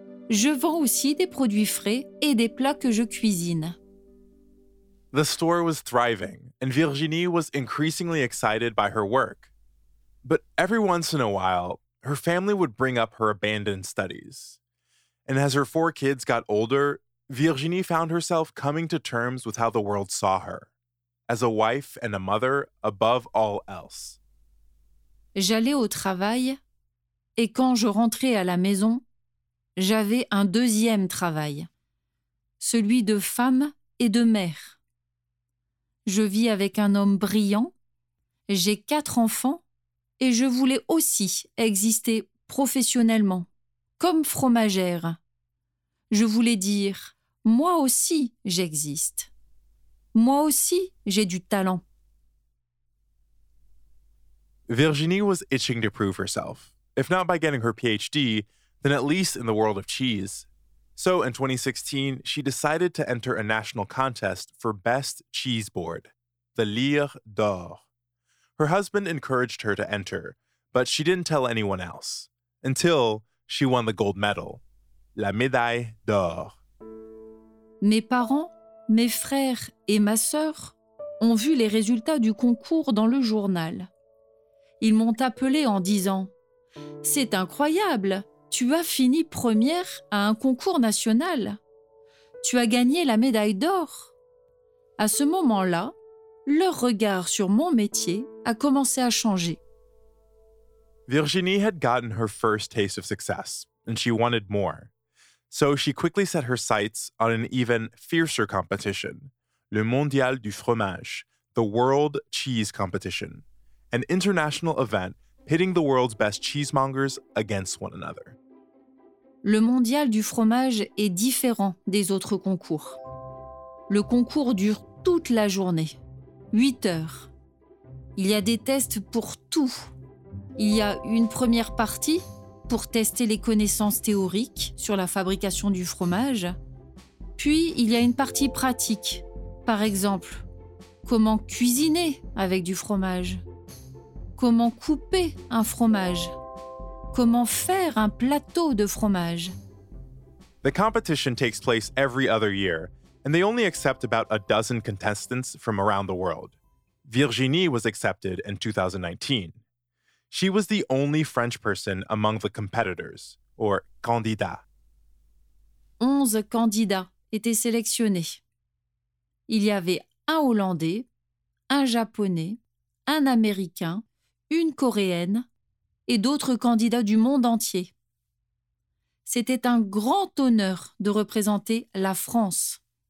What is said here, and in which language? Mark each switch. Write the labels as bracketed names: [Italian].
[French] Je vends aussi des produits frais et des plats que je cuisine. [English] The store was thriving and Virginie was increasingly excited by her work. But every once in a while, her family would bring up her abandoned studies. And as her 4 kids got older, Virginie found herself coming to terms with how the world saw her, as a wife and a mother above all else. [French] J'allais au travail, et quand je rentrais à la maison, j'avais un deuxième travail, celui de femme et de mère. Je vis avec un homme brillant, j'ai 4 enfants, et je voulais aussi exister professionnellement, comme fromagère. Je voulais dire, moi aussi, j'existe. Moi aussi, j'ai du talent. [English] Virginie was itching to prove herself, if not by getting her PhD, then at least in the world of cheese. So in 2016, she decided to enter a national contest for best cheese board, the Lire d'Or. Her husband encouraged her to enter, but she didn't tell anyone else, until she won the gold medal, [French] la médaille d'or. Mes parents, mes frères et ma sœur ont vu les résultats du concours dans le journal. Ils m'ont appelé en disant « C'est incroyable, tu as fini première à un concours national. Tu as gagné la médaille d'or. » À ce moment-là, leur regard sur mon métier a commencé à changer. [English] Virginie had gotten her first taste of success, and she wanted more. So she quickly set her sights on an even fiercer competition, Le Mondial du Fromage, the World Cheese Competition, an international event pitting the world's best cheesemongers against one another. [French] Le Mondial du Fromage est différent des autres concours. Le concours dure toute la journée, 8 heures. Il y a des tests pour tout. Il y a une première partie pour tester les connaissances théoriques sur la fabrication du fromage. Puis, il y a une partie pratique. Par exemple, comment cuisiner avec du fromage? Comment couper un fromage? Comment faire un plateau de fromage? [English] The competition takes place every other year, and they only accept about a dozen contestants from around the world. Virginie was accepted in 2019. She was the only French person among the competitors, or candidats. [French] 11 candidats étaient sélectionnés. Il y avait un Hollandais, un Japonais, un Américain, une Coréenne et d'autres candidats du monde entier. C'était un grand honneur de représenter la France.